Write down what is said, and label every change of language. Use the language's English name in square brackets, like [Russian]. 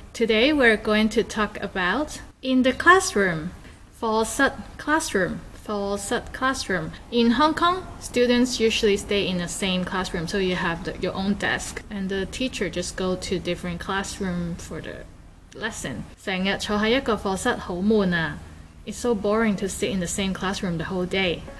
[English] Today we're going to talk about in the classroom. 課室 classroom. 課室 classroom. In Hong Kong, students usually stay in the same classroom, so you have your own desk. And the teacher just go to different classroom for the lesson. [Cantonese] 成日坐在一個課室好悶啊。 [English] It's so boring to sit in the same classroom the whole day.